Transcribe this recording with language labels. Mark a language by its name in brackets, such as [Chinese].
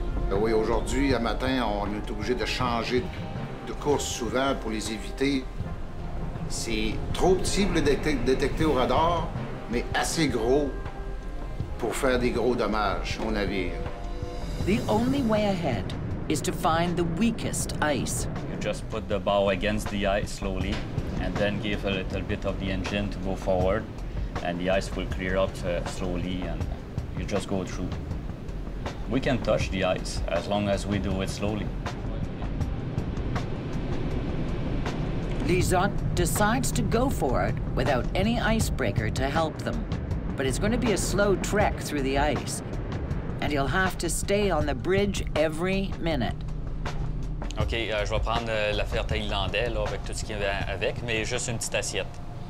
[French] Oui, aujourd'hui, à matin, on est obligé de changer de course souvent pour les éviter. C'est trop petit pour le détecter au radar, mais assez gros pour faire des gros dommages au navire. [English] The only way ahead is to find the weakest ice. You just put the bow against the ice slowly, and then give a little bit of the engine to go forward, and the ice will clear up slowly, and you just go through. We can touch the ice as long as we do it slowly. Lizotte decides to go for it without any icebreaker to help them. But it's going to be a slow trek through the ice. And you'll have to stay on the bridge every minute. [French] OK, je vais prendre l'affaire thaïlandais là, avec tout ce qu'il y a avec, mais juste une petite assiette.